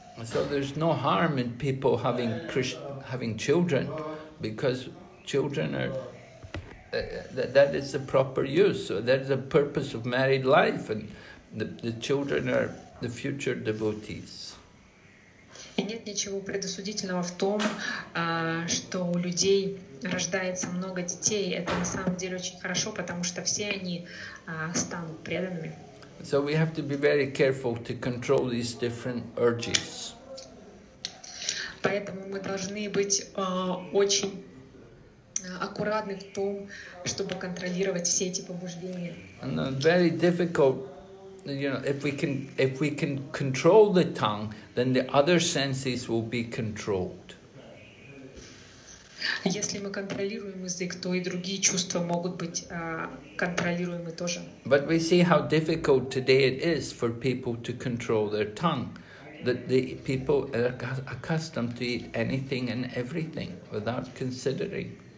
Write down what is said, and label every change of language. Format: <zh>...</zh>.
<en>So there's no harm in people having having children, because children are that is the proper use. So that is the purpose of married life, and the children are the future devotees.</en> <ru>И нет ничего предосудительного в том, что у людей рождается много детей. Это на самом деле очень хорошо, потому что все они станут преданными.</ru> <en>So we have to be very careful to control these different urges.</en> <ru>Поэтому мы должны быть очень аккуратны в том, чтобы контролировать все эти побуждения.</ru> <en>And very difficult. You know, if we can control the tongue, then the other senses will be controlled.</en> <ru>Если мы контролируем язык, то и другие чувства могут быть контролируемы тоже.</ru> <en>But we see how difficult today it is for people to control their tongue, that the people are accustomed to eat anything and everything without considering.</en>